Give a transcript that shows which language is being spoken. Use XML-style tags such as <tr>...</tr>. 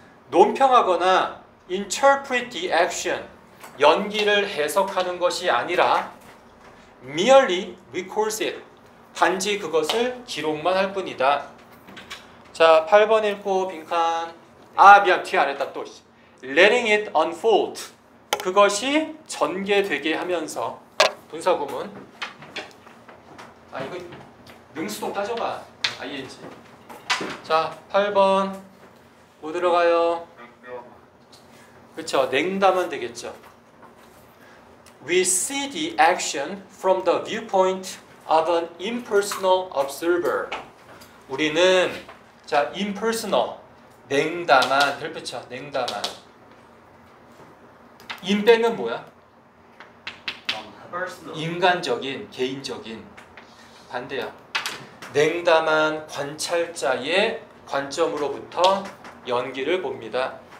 <ko>논평하거나</ko> <en>interpret the action.</en> <ko>연기를 해석하는 것이 아니라</ko> <en>merely records it.</en> <ko>단지 그것을 기록만 할 뿐이다. 자, 8번 읽고 빈칸. 아, 미안. 뒤에 안 했다. 또.</ko> <en>Letting it unfold.</en> <ko>그것이 전개되게 하면서. 분사구문. 아 이거 능수동 따져봐. ing. 자 8번 뭐 들어가요? 그쵸. 냉담은 되겠죠.</ko> <en>We see the action from the viewpoint of an impersonal observer.</en> <ko>우리는 자 impersonal 냉담한 별표쳐. 냉담한 in 빼면 뭐야?</ko> <en>Personal.</en> <ko>인간적인 개인적인 반대야. 냉담한 관찰자의 관점으로부터 연기를 봅니다.</ko>